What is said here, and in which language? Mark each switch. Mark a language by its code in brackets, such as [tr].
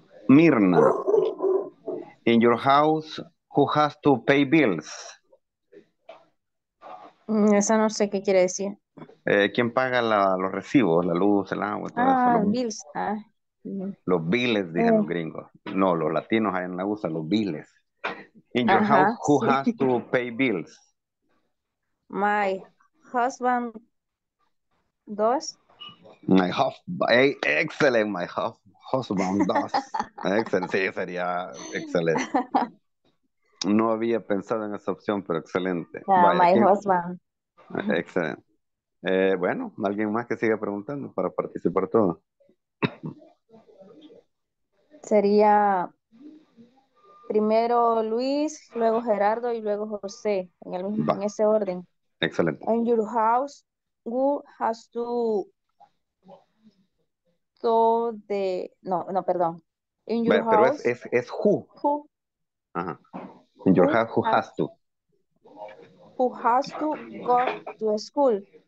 [en] Mirna, in your house, who has to pay bills? [es] Esa no sé qué quiere decir. ¿Quién paga los recibos, la luz, el agua? Todo eso, bills. Los billes, dicen los gringos. No, los latinos ahí en la usa, los billes. [en] In your house, who has to pay bills? My husband does. My husband, hey, excellent, my husband does. [es] Excellent, sí, sería excelente. No había pensado en esa opción, pero excelente. [en] Vaya, my husband. [es] Excelente. Bueno, ¿alguien más que siga preguntando para participar todo? Sería primero Luis, luego Gerardo y luego José, en el mismo, en ese orden. Excelente. [en] In your house, who has to do the... [es] No, perdón. [en] In your house... [es] Pero es [en] who. Who. Ajá. In your house, who has to? Who has to go to school?